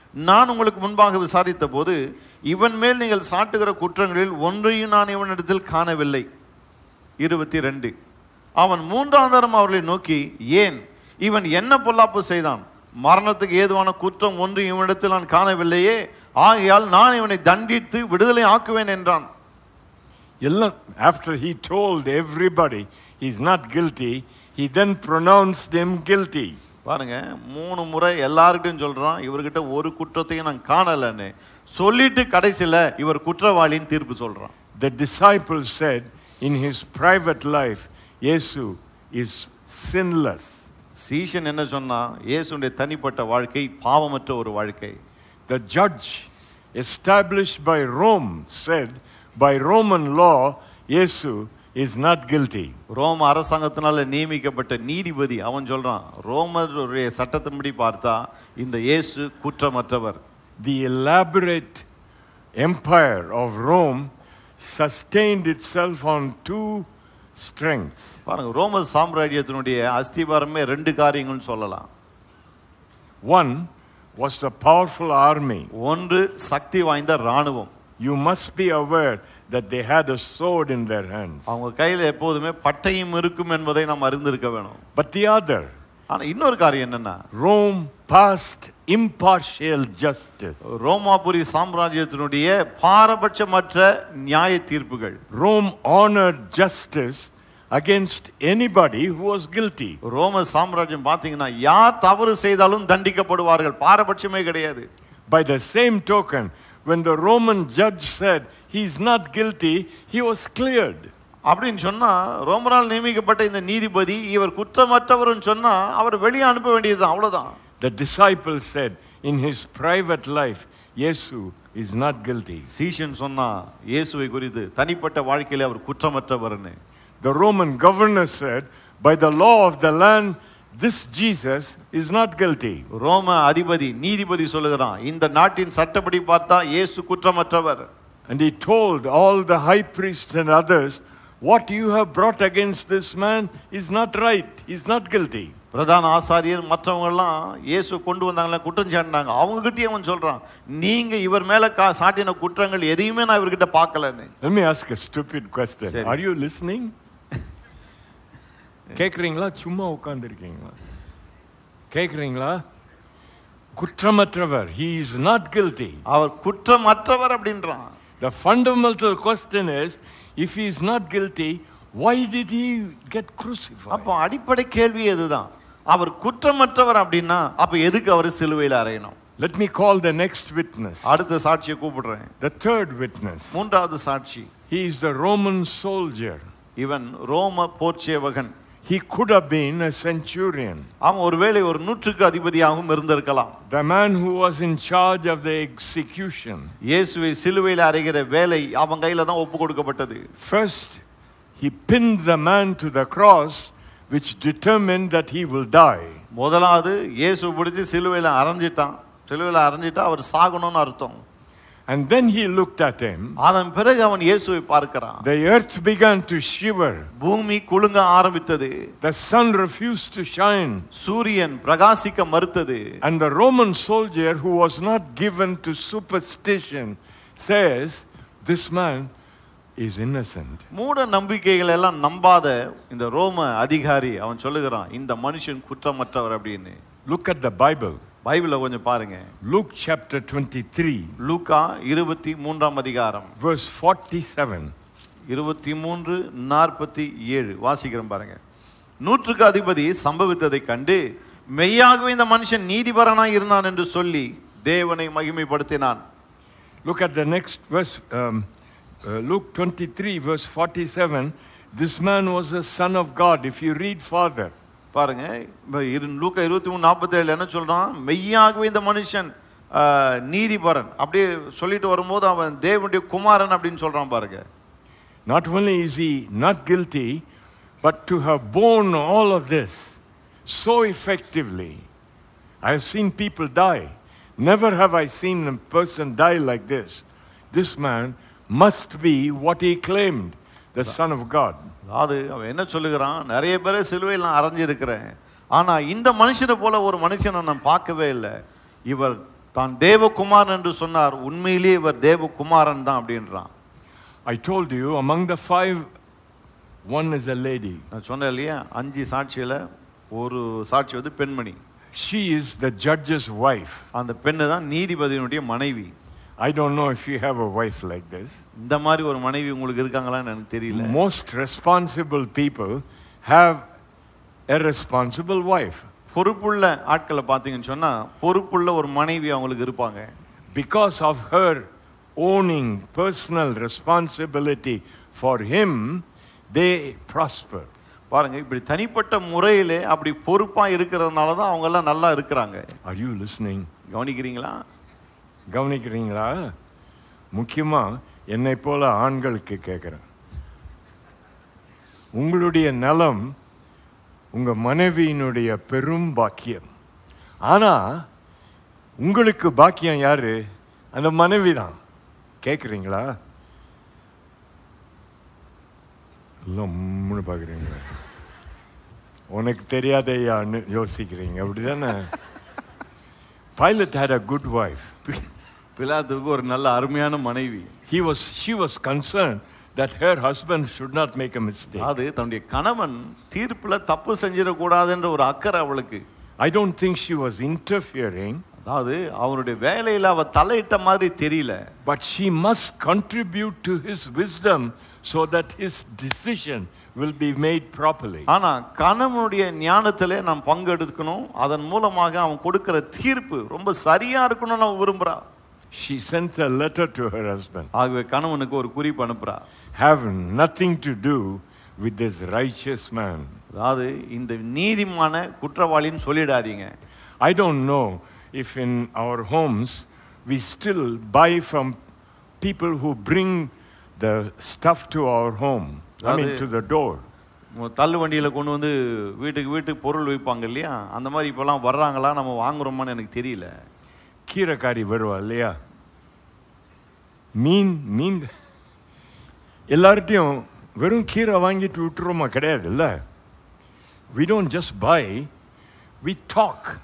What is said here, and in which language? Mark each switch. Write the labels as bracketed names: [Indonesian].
[Tamil] நான் உங்களுக்கு முன்பாக விசாரித்த போது இவன் மேல் நீங்கள் சாட்டுகிற குற்றங்களில் ஒன்றையும் நான் இவனிடத்தில் காணவில்லை. 22 அவன் 3 தரம் அவர்களை நோக்கி, ஏன் இவன் என்ன பொல்லாப்பு செய்தான்? மரணத்துக்கு ஏதுவான குற்றம் ஒன்று இவனிடத்தில் நான் காணவில்லையே, ஆகையால் நான் இவனை தண்டித்து விடுதலை ஆக்குவேன் என்றான். எல்லாம் [English] after he told everybody he is not guilty, he then pronounced them guilty. [Tamil] பாருங்க, 3 முறை எல்லார்கிட்டையும் சொல்றான், இவர்கிட்ட ஒரு குற்றத்தையும் நான் காணலன்னு சொல்லிட்டு கடைசியில இவர் குற்றவாளின்னு தீர்ப்பு சொல்றான். [English] The disciples said in his private life, Yesu is sinless. [Tamil] சீஷன் என்ன சொன்னா, இயேசுடைய தனிப்பட்ட வாழ்க்கை பாவமற்ற ஒரு வாழ்க்கை. [English] The judge established by Rome said, by Roman law, Yesu is not guilty. [Tamil] Rome அரசாங்கத்தினால நியமிக்கப்பட்ட நீதிபதி அவன் சொல்றான், ரோமருடைய சட்டத்தின்படி பார்த்தா இந்த இயேசு குற்றமற்றவர். [English] The elaborate empire of Rome sustained itself on 2 strengths. [Tamil] பாருங்க, ரோம சாம்ராஜ்யத்தினுடைய அஸ்திவாரமே ரெண்டு காரியங்கள்னு சொல்லலாம். [English] 1 was the powerful army. [Tamil] ஒன்று சக்தி வாய்ந்த ராணுவம். [English] You must be aware that they had a sword in their hands. [Tamil] அவங்க கையில எப்பொழுதுமே பட்டயம் இருக்கும் என்பதை நாம் அறிந்திருக்க வேணும். [English] But the other, [Tamil] ஆனா இன்னொரு காரியம் என்னன்னா, [English] Rome passed impartial justice. [Tamil] ரோமாபுரி சாம்ராஜ்யத்தினுடைய பாரபட்சமற்ற நியாய தீர்ப்புகள். [English] Rome honored justice against anybody who was guilty. [Tamil] ரோம சாம்ராஜ்யம் பாத்தீங்கன்னா, யார் தவறு செய்தாலும் தண்டிக்கப்படுவார்கள், பாரபட்சமே கிடையாது. [English] By the same token, when the Roman judge said he is not guilty, he was cleared. [Tamil] அப்படின் சொன்னா, ரோமரால் நியமிக்கப்பட்ட இந்த நீதிபதி இவர் குற்றமற்றவர் சொன்னா அவர் வெளியே அனுப்ப வேண்டியது அவ்வளவுதான். [English] The disciples said in his private life, Yesu is not guilty. [Tamil] சீஷன் சொன்னா, இயேசுவை குறித்து தனிப்பட்ட வாழ்க்கையில அவர் குற்றமற்றவர். [English] The Roman governor said, by the law of the land, this Jesus is not guilty. [Tamil] ரோம அதிபதி நீதிபதி சொல்லுகிறான், இந்த நாட்டின் சட்டப்படி பார்த்தா இயேசு குற்றமற்றவர். [English] And he told all the high priests and others, what you have brought against this man is not right, he's not guilty. [Tamil] பிரதான ஆசாரியர் மற்றவங்க எல்லாம் இயேசு கொண்டு வந்தாங்களே குற்றம் சாட்டினாங்க, அவங்க கிட்டயே அவன் சொல்றான், நீங்க இவர் மேல சாட்டின குற்றங்கள் எதையுமே நான் இவர்கிட்ட பார்க்கலன்னு. [English] Let me ask a stupid question. Sorry. Are you listening? [Tamil] கேக்குறீங்களா? சும்மா உட்கார்ந்திருக்கீங்களா? கேக்குறீங்களா? குற்றமற்றவர், [English] he is not guilty. [Tamil] அவர் குற்றமற்றவர் அப்படின்றான். [English] The fundamental question is, if he is not guilty, why did he get crucified? [Tamil] அப்ப அடிப்படை கேள்வி இதுதான், அவர் குற்றமற்றவர் அப்படினா அப்ப எதுக்கு அவர் சிலுவையில் அறையணும்? [English] Let me call the next witness. [Tamil] அடுத்த சாட்சியை கூப்பிடுறேன். [English] The third witness. [Tamil] மூன்றாவது சாட்சி. [English] He is the Roman soldier. [Tamil] இவன் ரோம போர் சேவகன். [English] He could have been a centurion. [Tamil] அவ ஒருவேளை ஒரு நூற்றுக்கு அதிபதியாகவும் இருந்திருக்கலாம். [English] The man who was in charge of the execution. [Tamil] இயேசுவை சிலுவையில் அறைகிற வேலை அவன் கையில தான் ஒப்பு கொடுக்கப்பட்டது. [English] First he pinned the man to the cross, which determined that he will die. [Tamil] முதலாவது இயேசு பிடிச்சு சிலுவையில் அறைஞ்சிட்டான். சிலுவையில் அறைஞ்சிட்டா அவர் சாகணும்னு அர்த்தம். [English] And then he looked at him. [Tamil] அதன் பிறகு அவன் இயேசுவை பார்க்கிறான். [English] The earth began to shiver. [Tamil] பூமி குலுங்க ஆரம்பித்தது. [English] The sun refused to shine. [Tamil] சூரியன் பிரகாசிக்க மறுத்தது. [English] And the Roman soldier, who was not given to superstition, says, this man is innocent. [Tamil] மூட நம்பிக்கைகள் எல்லாம் நம்பாத இந்த ரோம அதிகாரி அவன் சொல்லுகிறான், இந்த மனுஷன் குற்றமற்றவர் அப்படின்னு. [English] Look at the Bible. [Tamil] பைபிள கொஞ்சம் பாருங்க. [English] Luke chapter 23. [Tamil] லூக்கா 23 அதிகாரம் [English] Verse 47. [Tamil] 23:47 வாசிக்கிறோம் பாருங்க. நூற்றுக்கு அதிபதி சம்பவித்ததை கண்டு மெய்யாகவே இந்த மனுஷன் நீதிபரனாய் இருந்தான் என்று சொல்லி தேவனை மகிமைப்படுத்தினான். [English] Look at the next verse, Luke 23 verse 47. This man was a son of God. If you read further, [Tamil] பாருங்க லூக்கா 23:47 என்ன சொல்றான், மெய்யாகவே இந்த மனுஷன் நீதிபரன் அப்படியே சொல்லிட்டு வரும்போது அவன் தேவனுடைய குமாரன் அப்படின்னு சொல்றான் பாருங்க. [English] Not only is he not guilty, but to have borne all of this so effectively. I have seen people die. Never have I seen a person die like this. This man must be what he claimed, the son of God. [Tamil] அது அவன் என்ன சொல்லுகிறான், நிறைய பேரை சிலுவையில் நான் அறிஞ்சிருக்கிறேன், ஆனால் இந்த மனுஷனை போல ஒரு மனுஷனை நான் பார்க்கவே இல்லை. இவர் தான் தேவகுமாரன் என்று சொன்னார், உண்மையிலே இவர் தேவகுமாரன் தான் அப்படின்றான். [English] I told you, among the five, one is a lady. [Tamil] நான் சொன்னேன் இல்லையா, அஞ்சு சாட்சியில் ஒரு சாட்சி வந்து பெண்மணி. [English] She is the judge's wife. [Tamil] அந்த பெண்ணு தான் நீதிபதியினுடைய மனைவி. [English] I don't know if you have a wife like this. [Tamil] இந்த மாதிரி ஒரு மனைவி உங்களுக்கு இருக்காங்களா எனக்கு தெரியல. [English] Most responsible people have a responsible wife. [Tamil] பொறுப்புள்ள ஆட்களை பார்த்தீங்கன்னு சொன்னா பொறுப்புள்ள ஒரு மனைவி அவங்களுக்கு இருப்பாங்க. [English] Because of her owning personal responsibility for him, they prosper. [Tamil] பாருங்க இப்படி தனிப்பட்ட முறையிலே அப்படி பொறுப்பா இருக்கிறதுனால தான் அவங்க எல்லாம் நல்லா இருக்கிறாங்க. [English] Are you listening? [Tamil] கவனிக்கிறீங்களா? கவனிக்கிறீங்களா? முக்கியமா என்னை போல ஆண்களுக்கு கேட்கிறேன், உங்களுடைய நலம் உங்க மனைவியினுடைய பெரும் பாக்கியம். ஆனா உங்களுக்கு பாக்கியம் யாரு? அந்த மனைவி தான். கேக்குறீங்களா? லம்னு பாக்குறீங்களா? உனக்கு தெரியாதையான்னு யோசிக்கிறீங்க, அப்படிதானே? [English] Pilate had a good wife. [Tamil] பிலாத்துக்கு ஒரு நல்ல அருமையான மனைவி. [English] She was concerned that her husband should not make a mistake. [Tamil] அது தன்னுடைய கணவன் தீர்ப்புல தப்பு செஞ்சிட கூடாதுன்ற ஒரு அக்கறை அவளுக்கு. [English] I don't think she was interfering. [Tamil] அது அவருடைய வேலையில அவ தலையிட்ட மாதிரி தெரியல. [English] But she must contribute to his wisdom so that his decision will be made properly. [Tamil] ஆனா கணவனுடைய ஞானத்திலே நாம் பங்கெடுக்கணும், அதன் மூலமாக அவன் கொடுக்கிற தீர்ப்பு ரொம்ப சரியா இருக்கணும்னு அவ விரும்புறா. [English] She sent a letter to her husband. [Tamil] ஆகவே கணவனுக்கு ஒரு குறிப்பு அனுப்புறா. [English] Have nothing to do with this righteous man. [Tamil] அதாவது இந்த நீதிமான குற்றவாளின்னு சொல்லிடாதீங்க. [English] I don't know if in our homes we still buy from people who bring the stuff to our home, I mean to the door. [Tamil] தள்ளு வண்டியில கொண்டு வந்து வீட்டுக்கு பொருள் வைப்பாங்க இல்லையா, அந்த மாதிரி இப்பெல்லாம் வர்றாங்களா நம்ம வாங்குறோமான்னு எனக்கு தெரியல. கீரைக்காரி வருவா இல்லையா, மீன் எல்லார்ட்டையும் வெறும் கீரை வாங்கிட்டு விட்டுறோமா? கிடையாது இல்ல. [English] We don't just buy, we talk.